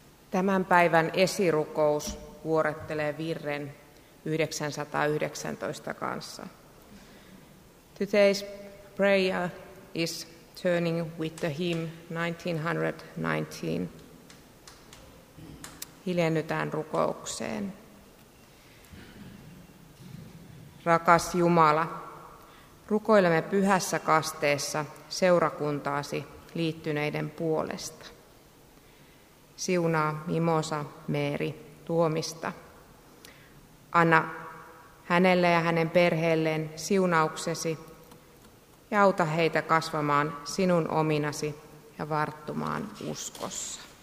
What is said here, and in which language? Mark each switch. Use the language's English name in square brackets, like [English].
[Finnish] Tämän päivän esirukous vuorettelee virren 919 kanssa. [English] Today's prayer is turning with the hymn 1919. [Finnish] Hiljennytään rukoukseen. Rakas Jumala, rukoilemme pyhässä kasteessa seurakuntaasi liittyneiden puolesta. Siunaa Mimosa Meeri Tuomista. Anna hänelle ja hänen perheelleen siunauksesi ja auta heitä kasvamaan sinun ominasi ja varttumaan uskossa.